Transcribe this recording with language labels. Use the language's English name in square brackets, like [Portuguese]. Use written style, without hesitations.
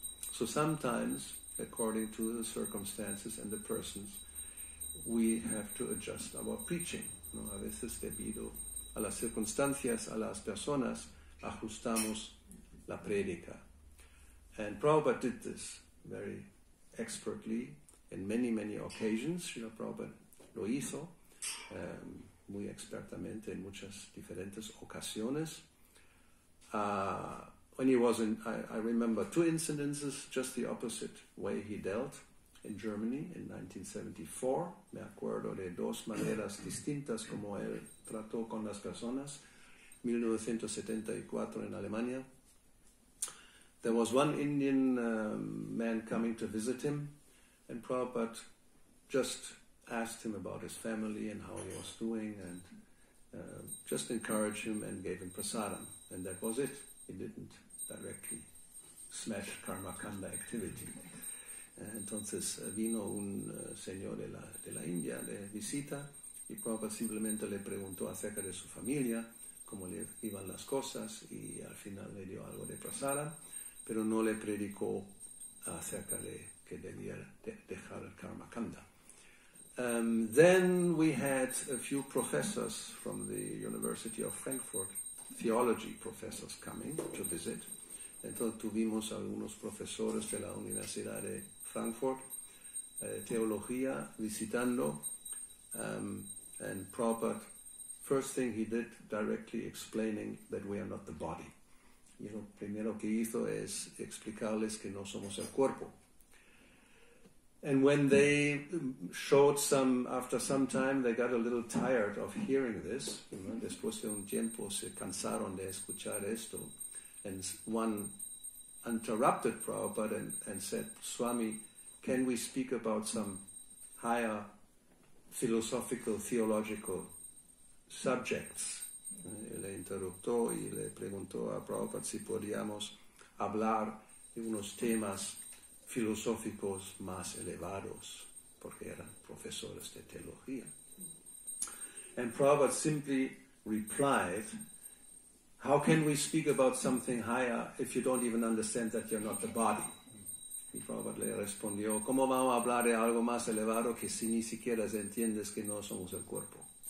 [English] So sometimes, according to the circumstances and the persons, we have to adjust our preaching. [Spanish] ¿No? A veces debido a las circunstancias, a las personas, ajustamos la prédica. [English] And Prabhupada did this very expertly in many, many occasions. [Spanish] Srila Prabhupada lo hizo muy expertamente en muchas diferentes ocasiones. [English] When he was in, I remember two incidences, just the opposite way he dealt in Germany in 1974. [Spanish] Me acuerdo de dos maneras distintas como él trató con las personas. 1974 en Alemania. [English] There was one Indian man coming to visit him, and Prabhupada just asked him about his family and how he was doing, and just encouraged him and gave him prasadam. And that was it. He didn't directly smash karma kanda activity. [Spanish] Entonces vino un señor de la India de visita, y Prabhupada simplemente le preguntó acerca de su familia, cómo le iban las cosas, y al final le dio algo de prasadam, pero no le predicó acerca de que debía dejar el karma kanda. [English] Then we had a few professors from the University of Frankfurt, theology professors, coming to visit. [Spanish] Entonces tuvimos algunos profesores de la Universidad de Frankfurt, teología, visitando. [English] And Prabhupada, first thing he did, directly explaining that we are not the body. [Spanish] Y lo primero que hizo es explicarles que no somos el cuerpo. [English] And when they showed some, after some time, they got a little tired of hearing this. You know, [Spanish] después de un tiempo se cansaron de escuchar esto. [English] And one interrupted Prabhupada and said, Swami, can we speak about some higher philosophical, theological subjects? [Spanish] Le interruptó y le preguntó a Prabhupada si podíamos hablar de unos temas filosóficos más elevados, porque eran profesores de teología. [English] And Prabhupada simply replied, how can we speak about something higher if you don't even understand that you're not the body? [Spanish] Y Prabhupada le respondió, ¿cómo vamos a hablar de algo más elevado que si ni siquiera entiendes que no somos el cuerpo?